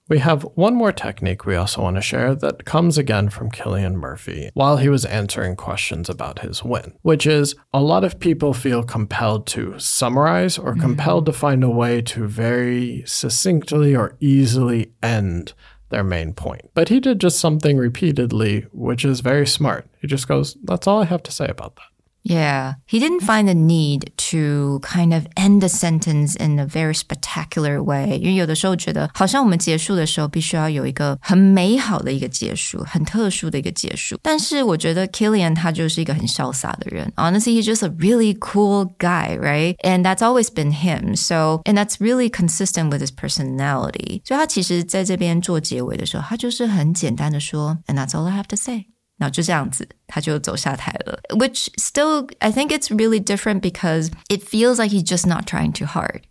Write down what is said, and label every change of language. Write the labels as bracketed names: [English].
[English] We have one more technique we also want to share that comes again from Cillian Murphy while he was answering questions about his win, which is a lot of people feel compelled to summarize or compelled to find a way to very succinctly or easily end their main point. But he did just something repeatedly, which is very smart. He just goes, that's all I have to say about that. Yeah, he didn't find the need to kind of end the sentence in a very spectacular way. [Chinese] 因为有的时候觉得好像我们结束的时候必须要有一个很美好的一个结束很特殊的一个结束。但是我觉得 Cillian 他就是一个很潇洒的人。 [English] Honestly, he's just a really cool guy, right? And that's always been him. So, and that's really consistent with his personality. [Chinese] 所以他其实在这边做结尾的时候他就是很简单的说 [English] And that's all I have to say. [Chinese] 那就这样子他就走下台了 [English] Which still, I think it's really different because it feels like he's just not trying too hard.